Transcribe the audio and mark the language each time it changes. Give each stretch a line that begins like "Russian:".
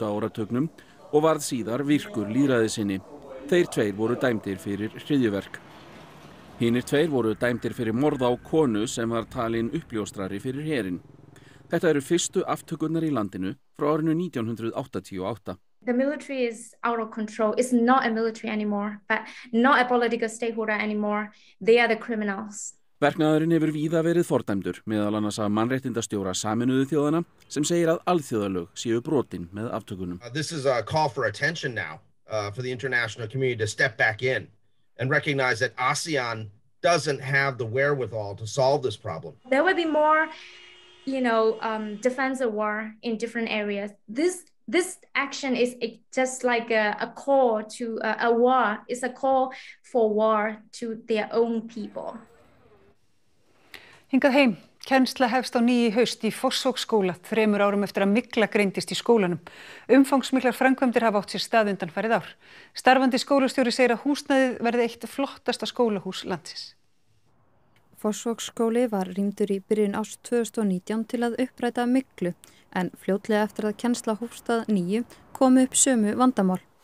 Icelandic: áratugnum og varð síðar virkur líðræði sinni. Þeir tveir voru dæmdir fyrir hryðjuverk. Hinir tveir voru dæmdir fyrir morð á konu sem var talin uppljóstrari fyrir herinn. Þetta eru fyrstu aftökurnar í landinu frá árinu 1988.
English: The military is out of control. It's not a military anymore, but not a political stakeholder anymore. They are the criminals.
Icelandic: Verknaðurinn hefur víða verið fordæmdur, meðal annars af mannréttindastjóra Sameinuðu þjóðanna, sem segir að alþjóðalög séu brotin með aftökunum.
English: This is a call for attention now for the international community to step back in and recognize that ASEAN doesn't have the wherewithal to solve this problem. There will be more, you know, defense of war in different areas. This action is just like a call to a war. It's a call for war to their own people.
Icelandic: Hingað heim. Kennsla hefst á nýju haust í Fossvogsskóla 3 árum eftir að mygla greindist í skólanum. Umfangsmiklar framkvæmdir hafa átt sér stað undanfarið ár. Starfandi skólastjóri segir að húsnæðið verði eitt flottasta skólahús landsins. Fossvogsskóli var rýmdur í byrjun árs 2019 til að uppræta myglu, en fljótlega eftir að kennsla hófst að nýju komu upp sömu vandamál.